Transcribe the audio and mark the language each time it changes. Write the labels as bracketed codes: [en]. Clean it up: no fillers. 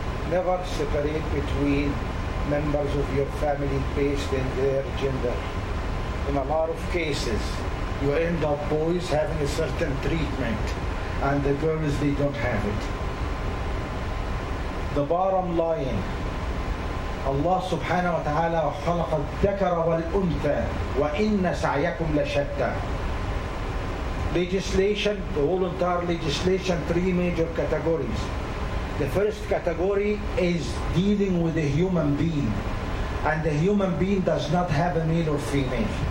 [en] Never separate between members of your family based on their gender. In a lot of cases, you end up boys having a certain treatment and the girls, they don't have it. The bottom line, [ar] Allah subhanahu wa ta'ala خلق الذكر والأنثى وإن سعيكم لشتى. [en] Legislation, the whole entire legislation, three major categories. The first category is dealing with a human being, and the human being does not have a male or female.